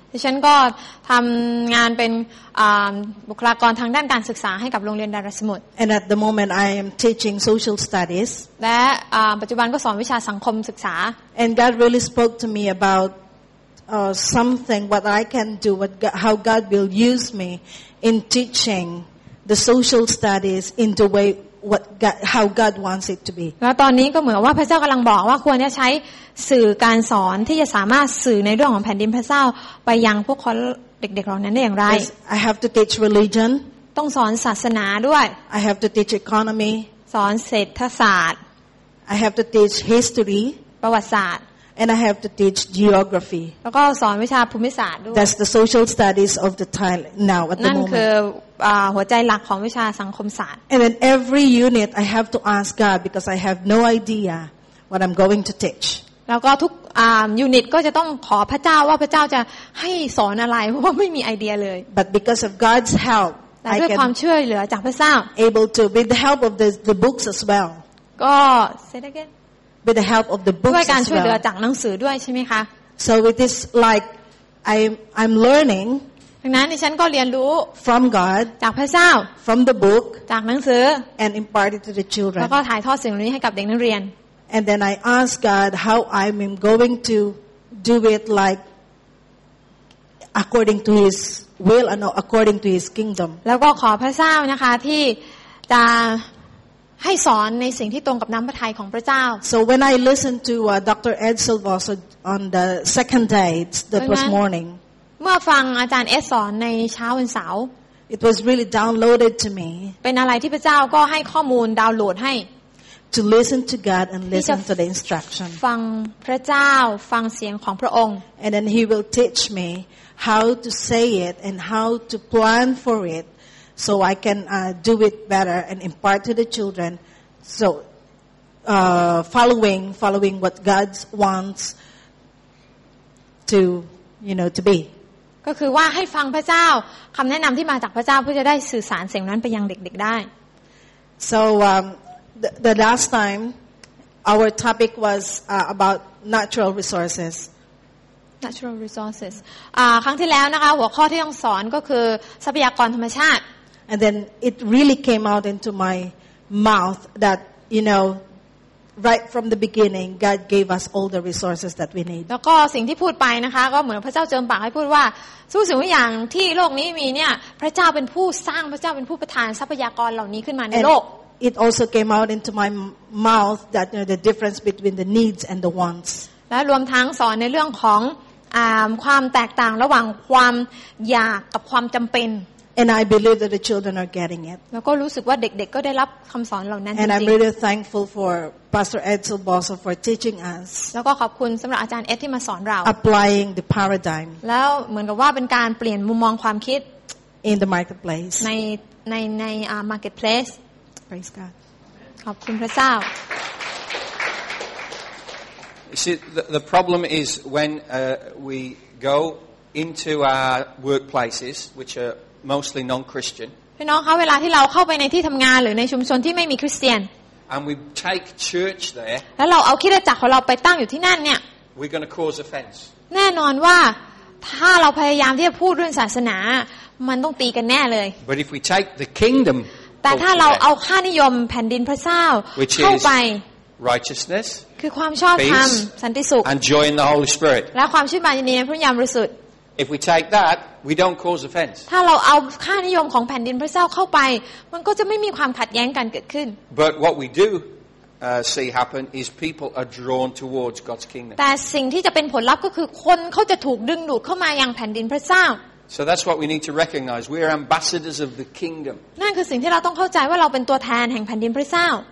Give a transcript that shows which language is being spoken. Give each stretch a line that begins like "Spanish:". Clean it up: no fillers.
Thai: ดิฉันก็ทำงานเป็นบุคลากรทางด้านการศึกษาให้กับโรงเรียนดารัสมุท
English: and at the moment I am teaching social studies
Thai: และปัจจุบันก็สอนวิชาสังคมศึกษา
English: and God really spoke to me aboutsomething what I can do what God, how God will use me in teaching the social studies in the way what God, how God wants it to be
Thai: แล้วตอนนี้ก็เหมือนว่าพระเจ้ากำลังบอกว่าควรจะใช้สื่อการสอนที่จะสามารถสื่อในเรื่องของแผ่นดินพระเจ้าไปยังพวกเขาเด็กๆเหล่านั้นได้อย่างไร
English: I have to teach religion
Thai: ต้องสอนศาสนาด้วย
English: I have to teach economy
Thai: สอนเศรษฐศาสตร์
English: I have to teach history
Thai: ประวัติศาสตร์
English: And I have to teach geography.
Thai: แล้วก็สอนวิชาภูมิศาสตร์ด้วย
English: That's the social studies of the time now at the moment.
Thai: นั่นคือหัวใจหลักของวิชาสังคมศาสตร์
English: And in every unit, I have to ask God because I have no idea what I'm going to teach.
Thai: แล้วก็ทุกยูนิตก็จะต้องขอพระเจ้าว่าพระเจ้าจะให้สอนอะไรเพราะไม่มีไอเดียเลย
English: But because of God's help, I can.
Thai: ด้วยความช่วยเหลือจากพระเจ้า
English: Able to with the help of the books as well. ก็ say it again With the help of the books,
Thai: ด้วยการช่วยเหลือจากหนังสือด้วยใช่ไหมคะ
English: So it is like I'm learning.
Thai: ดังนั้นฉันก็เรียนรู้
English: from God
Thai: จากพระเจ้า
English: from the book
Thai: จากหนังสือ
English: and impart it to the children.
Thai: แล้วก็ถ่ายทอดสิ่งนี้ให้กับเด็กนักเรียน
English: And then I ask God how I'm going to do it like according to His will and according to His kingdom.
Thai: แล้วก็ขอพระเจ้านะคะที่จะให้สอนในสิ่งที่ตรงกับน้ำพระทัยของพระเจ้า
English: So when I listened to Dr. Ed Silvas on the second day that was morning
Thai: เมื่อฟังอาจารย์เอสสอนในเช้าวันเสาร์
English: It was really downloaded to me
Thai: เป็นอะไรที่พระเจ้าก็ให้ข้อมูลดาวน์โหลดให้
English: To listen to God and listen to the instruction
Thai: ฟังพระเจ้าฟังเสียงของพระองค์
English: And then he will teach me how to say it and how to plan for itSo I can do it better and impart to the children. So following what God wants to, you know, to be.
Thai: ก็คือว่าให้ฟังพระเจ้าคำแนะนำที่มาจากพระเจ้าเพื่อจะได้สื่อสารสิ่งนั้นไปยังเด็กๆได้
English: So the last time our topic was about natural resources. Natural resources.
Thai: ครั้งที่แล้วนะคะหัวข้อที่ต้องสอนก็คือทรัพยากรธรรมชาติ
English: And then it really came out into my mouth that you know, right from the beginning, God gave us all the resources that we need.
Thai: แล้วก็สิ่งที่พูดไปนะคะก็เหมือนพระเจ้าเจิมปากให้พูดว่าทุกสิ่งทุกอย่างที่โลกนี้มีเนี่ยพระเจ้าเป็นผู้สร้างพระเจ้าเป็นผู้ประทานทรัพยากรเหล่านี้ขึ้นมาในโลก
English: It also came out into my mouth that you know the difference between the needs and the wants.
Thai: และรวมทั้งสอนในเรื่องของความแตกต่างระหว่างความอยากกับความจำเป็น
English: And I believe that the children are getting it.
Thai: แล้วก็รู้สึกว่าเด็กๆก็ได้รับคำสอนเหล่านั้นจริ
English: งๆ And I'm really thankful for Pastor Ed Silvoso for teaching us.
Thai: แล้วก็ขอบคุณสำหรับอาจารย์เอ็ดที่มาสอนเรา
English: Applying the paradigm.
Thai: แล้วเหมือนกับว่าเป็นการเปลี่ยนมุมมองความคิด
English: In the marketplace.
Thai: ในmarketplace.
English: Praise God.
Thai: ขอบคุณพระเจ้า
English: See, the problem is when we go into our workplaces, which aremostly non-christian
Thai: พี่น้องคะเวลาที่เราเข้าไปในที่ทํางานหรือในชุมชนที่ไม่มีคริสเตียน
English: and we take church there
Thai: แล้วเราเอาคริสตจักรของเราไปตั้งอยู่ที่นั่นเนี่ย
English: we're going to cause offense
Thai: แน่นอนว่า ถ้าเราพยายามที่จะพูดเรื่องศาสนามันต้องตีกันแน่เลย
English: But if we take the kingdom
Thai: แต่ถ้าเราเอาค่านิยมแผ่นดินพระเจ้าเข้ าไป
English: righteousness
Thai: คือความชอบธรรมสันติสุข
English: and joy in the Holy Spirit
Thai: และความชื่นบานยินดีในพระวิญญาณบริสุทธิ์
English: If we take that we don't cause offense
Thai: ถ้าเราเอาค่านิยมของแผ่นดินพระเจ้าเข้าไปมันก็จะไม่มีความขัดแย้งกันเกิดขึ้น
English: But what we dodo see happen is people are drawn towards God's kingdom.
Thai: แต่สิ่งที่จะเป็นผลลัพธ์ก็คือคนเขาจะถูกดึงดูดเข้ามายังแผ่นดินพระเจ้า
English: So that's what we need to recognize. We are ambassadors of the kingdom.
Thai: นั่นคือสิ่งที่เราต้องเข้าใจว่าเราเป็นตัวแทนแห่งแผ่นดินพระเจ้า